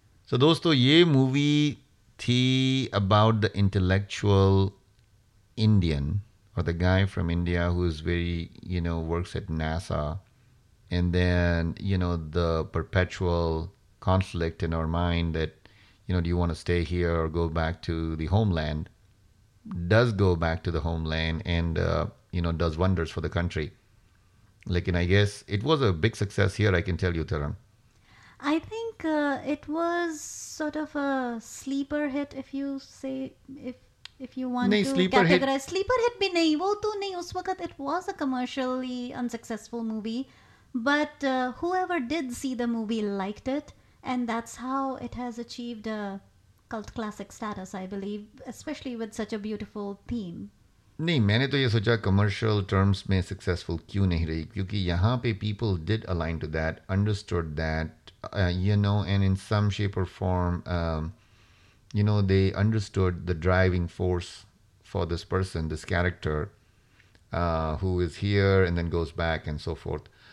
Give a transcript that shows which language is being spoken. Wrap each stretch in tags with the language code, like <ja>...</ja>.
<hi>सो दोस्तों ये मूवी थी</hi> <en>About the intellectual Indian और the guy from India who is very you know works at NASA and then you know the perpetual conflict in our mind that you know do you want to stay here और go back to the homeland, does go back to the homeland and you know does wonders for the country. Like in, I guess it was a big success here, I can tell you, Tarun. I think it was sort of a sleeper hit, if you say, if you want</en> <hi>nahin,</hi> <en>to sleeper categorize.</en> <hi>Sleeper hit bhi nahin, wo toh nahin, us wakat</hi> <en>it was a commercially unsuccessful movie. But whoever did see the movie liked it. And that's how it has achieved a cult classic status, I believe, especially with such a beautiful theme.</en> <hi>नहीं, मैंने तो ये सोचा commercial terms में successful क्यों नहीं रही, क्योंकि यहाँ पे</hi> <en>People did align to that, understood that you know and in some shape और form you know they understood the driving force for this person, this character who is here and then goes back and so forth.</en>